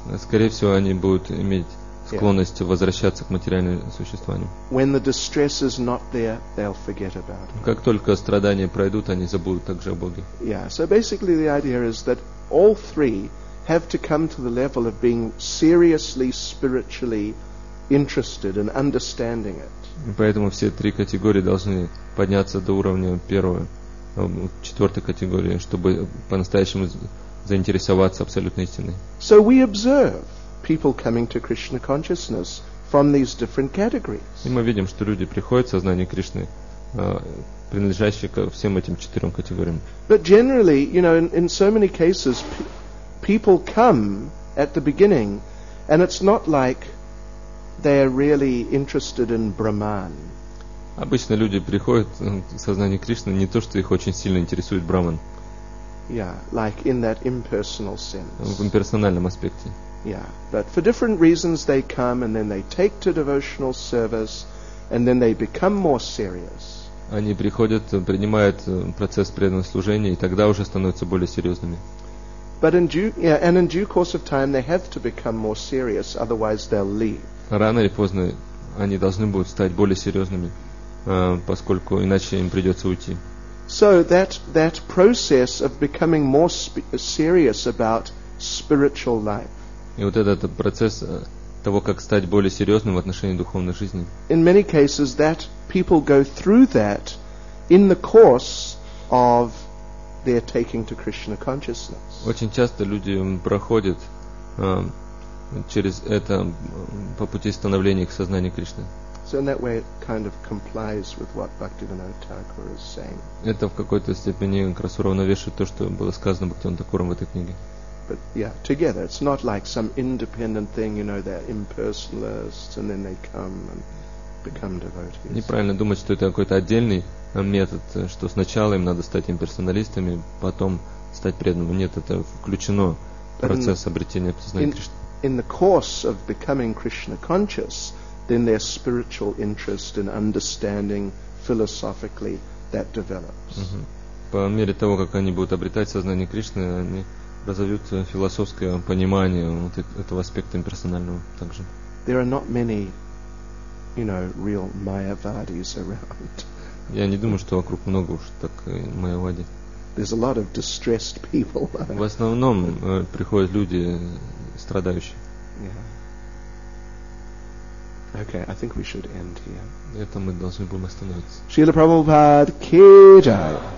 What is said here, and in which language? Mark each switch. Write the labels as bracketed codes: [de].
[ru] Скорее всего, они будут иметь склонность возвращаться к материальному существованию. [en] When the distress is not there, they'll forget about it. [ru] Как только страдания пройдут, они забудут также о Боге. [en] Yeah. So basically, the idea is that all three have to come to the level of being seriously spiritually interested and understanding it. [ru] Поэтому все три категории должны подняться до уровня первой, четвертой категории, чтобы по-настоящему заинтересоваться абсолютной истиной. [en] So we observe people coming to Krishna consciousness from these different categories. [ru] И мы видим, что люди приходят в сознание Кришны, принадлежащие ко всем этим четырем категориям. [en] But generally, you know, in so many cases, people come at the beginning, and it's not like they are really interested in Brahman. [ru] Обычно люди приходят в сознание Кришны не то, что их очень сильно интересует Брахман. [en] Yeah, like in that impersonal sense. [ru] В имперсональном аспекте. [en] Yeah, but for different reasons they come, and then they take to devotional service, and then they become more serious. [ru] Они приходят, принимают процесс преданного служения, и тогда уже становятся более серьезными. [en] But in due course of time, they have to become more serious, otherwise they'll leave. [ru] Рано или поздно они должны будут стать более серьезными, поскольку иначе им придется уйти. [en] So that process of becoming more serious about spiritual life. [ru] И вот этот процесс того, как стать более серьезным в отношении духовной жизни. [en] In many cases, that people go through that in the course of they're taking to Krishna consciousness. [ru] Очень часто люди проходят через это по пути становления к сознанию Кришны. [en] So in that way it kind of complies with what Bhaktivinoda Thakur is saying. [ru] Это в какой-то степени как раз уравновешивает то, что было сказано Бхактивинода Такуром в этой книге. [en] But yeah, together. It's not like some independent thing, you know, they're impersonalists and then they come and become devotees. [ru] Неправильно думать, что это какой-то отдельный метод, что сначала им надо стать имперсоналистами, потом стать преданными. Нет, это включено в процесс обретения сознания Кришны. [en] In the course of becoming Krishna conscious, then their spiritual interest in understanding philosophically that develops. [ru] По мере того, как они будут обретать сознание Кришны, они разовьют философское понимание вот этого аспекта имперсонального также. [en] There are not many, you know, real Mayavadis around. [ru] Я не думаю, что вокруг много уж так майявади. [en] There's a lot of distressed people. [ru] В основном приходят люди страдающие. [en] Yeah. Okay, I think we should end here. [ru] Это мы должны будем остановиться. [hi] Шрила Прабхупад Киджай.